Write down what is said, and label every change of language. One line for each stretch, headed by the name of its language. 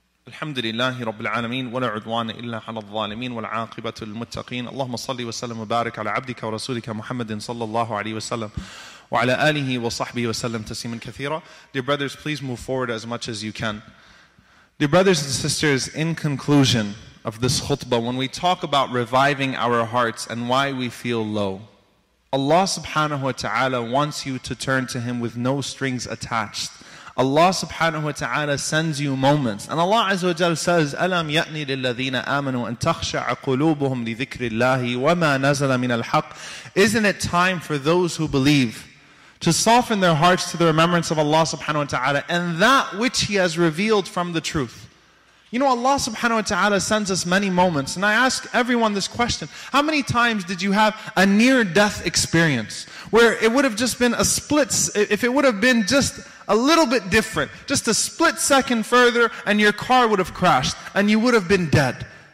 Arabic: الحمد لله رب العالمين ولا عدوان إلا على الظالمين والعاقبة للمتقين اللهم صل وسلم وبارك على عبدك ورسولك محمد صلى الله عليه وسلم وعلى آله وصحبه وسلم تسليما كثيرا.
English: Dear brothers, please move forward as much as you can. Dear brothers and sisters, in conclusion of this khutbah, when we talk about reviving our hearts and why we feel low, Allah subhanahu wa ta'ala wants you to turn to Him with no strings attached. Allah subhanahu wa ta'ala sends you moments. And Allah azza wa jalla says,
Arabic: أَلَمْ يَأْنِ لِلَّذِينَ آمَنُوا أَن تَخْشَعَ قُلُوبُهُمْ لِذِكْرِ اللَّهِ وَمَا نَزَلَ مِنَ الْحَقِّ.
English: Isn't it time for those who believe to soften their hearts to the remembrance of Allah subhanahu wa ta'ala and that which He has revealed from the truth? You know, Allah subhanahu wa ta'ala sends us many moments. And I ask everyone this question. How many times did you have a near-death experience where it would have just been a split, if it would have been just a little bit different, just a split second further and your car would have crashed and you would have been dead?